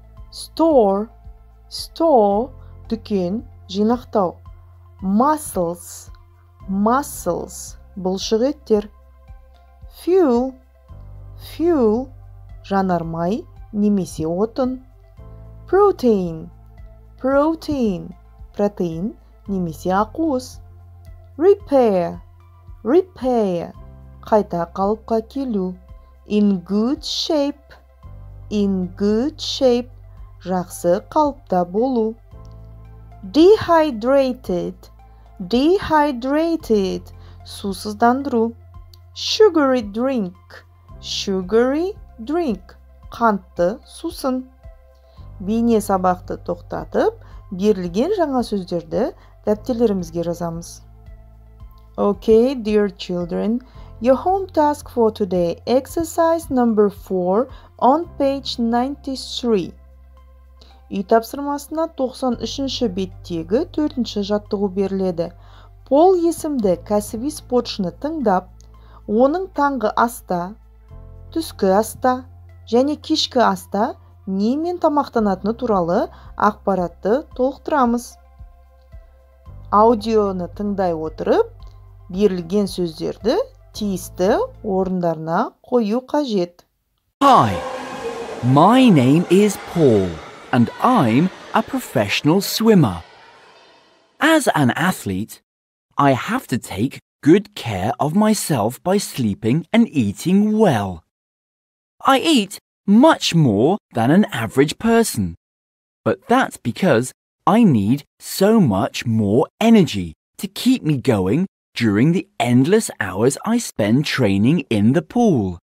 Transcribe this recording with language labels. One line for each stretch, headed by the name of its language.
English: store, store, дүкен, жинақтау. Muscles, muscles, бұлшық еттер.
Kazakh: Fuel, fuel, жанармай, немесе отын. Protein, protein, протеин, немесе ақуыз. Repair, repair, қайта қалыпқа келу. In good shape, жақсы қалыпта болу.
English: Dehydrated, dehydrated, сусыздандыру.
Kazakh: Sugary drink, қантты сусын. Бейне сабақты тоқтатып, берілген жаңа сөздерді дәптерлерімізге жазамыз.
English: Okay, dear children, your home task for today, exercise number 4 on page 93.
Kazakh: Үй тапсырмасына 93-ші беттегі 4-ші жаттығу беріледі. Пол есімді кәсіби спортшыны тыңдап, оның таңғы аста, түскі аста және кешкі аста немен тамақтанатыны туралы ақпаратты толықтырамыз. Аудионы тыңдай отырып, берілген сөздерді тиісті орындарына қою қажет.
English: Hi, my name is Paul, and I'm a professional swimmer. As an athlete, I have to take good care of myself by sleeping and eating well. I eat much more than an average person, but that's because I need so much more energy to keep me going during the endless hours I spend training in the pool.